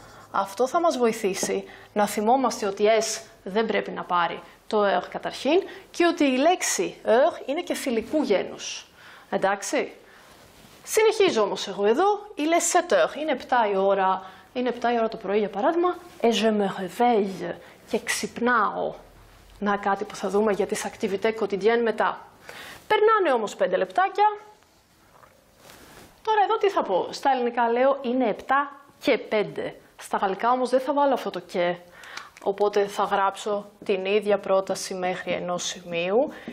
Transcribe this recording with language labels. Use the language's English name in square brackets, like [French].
[Greek] Αυτό θα μας βοηθήσει να θυμόμαστε ότι S δεν πρέπει να πάρει το heure καταρχήν και ότι η λέξη heure είναι και φιλικού γένους. Εντάξει. [French] Συνεχίζω όμως εγώ εδώ, «Il est 7 heures». [Greek] Είναι 7 η ώρα. Είναι 7 η ώρα το πρωί για παράδειγμα. [French] «Et je me réveille» [Greek] και ξυπνάω. Να κάτι που θα δούμε για τις activités quotidiennes μετά. Περνάνε όμως 5 λεπτάκια. Τώρα εδώ τι θα πω. Στα ελληνικά λέω είναι 7 και 5. Στα γαλλικά όμως δεν θα βάλω αυτό το και. Οπότε θα γράψω την ίδια πρόταση μέχρι ενός σημείου.